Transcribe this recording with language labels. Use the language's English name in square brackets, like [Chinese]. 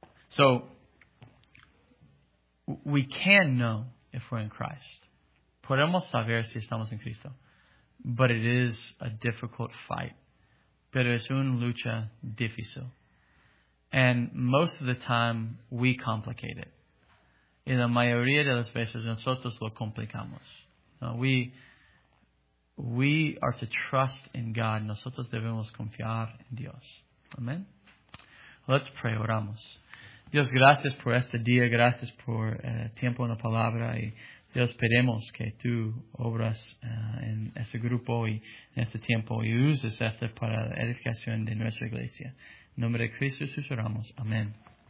[English] So, we can know if we're in Christ. [Spanish] Podemos saber si estamos en Cristo. [English] But it is a difficult fight. [Spanish] Pero es una lucha difícil. [English] And most of the time, we complicate it. [Spanish] Y la mayoría de las veces, nosotros lo complicamos. [English] No, we are to trust in God. [Spanish] Nosotros debemos confiar en Dios. Amen? [English] Let's pray. [Spanish] Oramos. Dios, gracias por este día, gracias por tiempo en la palabra y Dios, pedimos que tú obras en este grupo y en este tiempo y uses esto para la edificación de nuestra iglesia. En nombre de Cristo, Jesús, oramos. Amén.